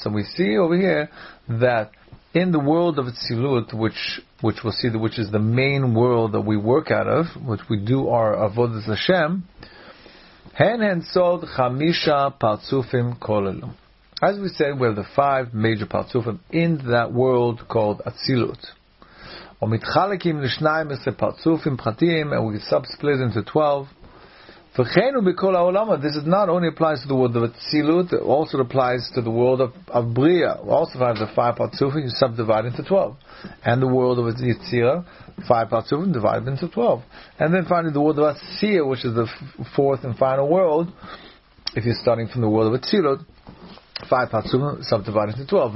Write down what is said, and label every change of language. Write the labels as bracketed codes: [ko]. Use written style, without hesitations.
[en] So we see over here that in the world of atzilut, which we'll see, that which is the main world that we work out of, which we do our avodas Hashem, [he] hen sold chamisha patzufim kolelum. [en] As we said, we have the 5 major patzufim in that world called atzilut. [he] ומתחלקים לשניים עשרה פרצופים פרטיים, [en] and we subsplit into 12. [he] וכן ובכל העולם, [en] this is not only applies to the world of Atzilut, it also applies to the world of Bria. We also have the 5 parצופים, you subdivide into 12. And the world of Yetzirah, 5 parצופים, divided into 12. And then finally the world of Atzir, which is the 4th and final world, if you're starting from the world of Atzilut, 5 patsum, subdivided into 12.